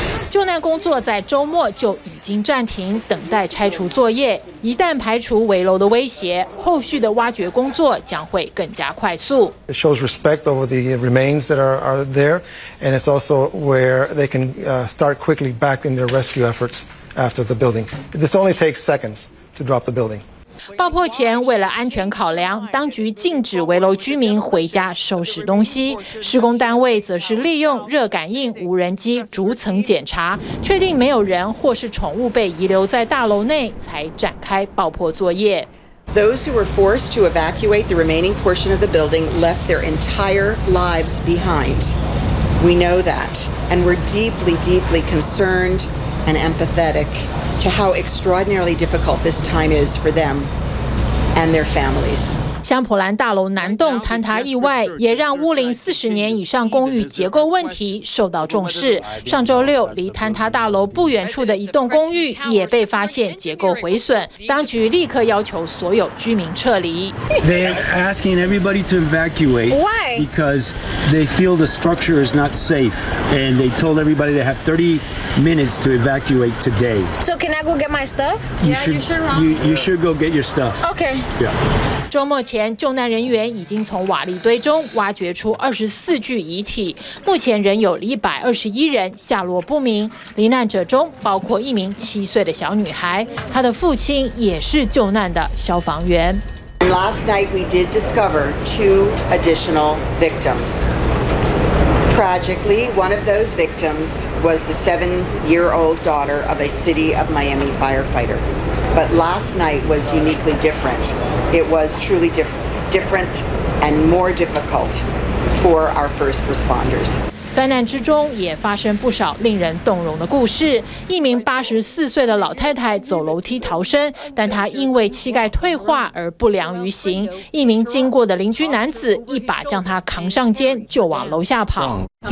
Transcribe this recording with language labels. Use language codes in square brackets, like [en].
[zh] 救难工作在周末就已经暂停，等待拆除作业。一旦排除围楼的威胁，后续的挖掘工作将会更加快速。 [en] It shows respect over the remains that are there, and it's also where they can start quickly back in their rescue efforts after the building. This only takes seconds to drop the building. [zh] 爆破前，为了安全考量，当局禁止围楼居民回家收拾东西。施工单位则是利用热感应无人机逐层检查，确定没有人或是宠物被遗留在大楼内，才展开爆破作业。 [en] Those who were forced to evacuate the remaining portion of the building left their entire lives behind. We know that, and we're deeply, deeply concerned and empathetic. To how extraordinarily difficult this time is for them and their families. [zh] 香普兰大楼南栋坍塌意外也让屋龄40年以上公寓结构问题受到重视。上周六，离坍塌大楼不远处的一栋公寓也被发现结构毁损，当局立刻要求所有居民撤离。 [en] They're asking everybody to evacuate. Why? Because they feel the structure is not safe, and they told everybody they have 30 minutes to evacuate today. So can I go get my stuff? You should go get your stuff. Okay. Yeah. [zh] 周末前，救难人员已经从瓦砾堆中挖掘出24具遗体，目前仍有121人下落不明。罹难者中包括一名7岁的小女孩，她的父亲也是救难的消防员。 [en] Last night we did discover 2 additional victims. Tragically, one of those victims was the 7-year-old daughter of a City of Miami firefighter. But last night was uniquely different. It was truly different and more difficult for our first responders. [zh] 灾难之中也发生不少令人动容的故事。一名84岁的老太太走楼梯逃生，但她因为膝盖退化而不良于行。一名经过的邻居男子一把将她扛上肩，就往楼下跑。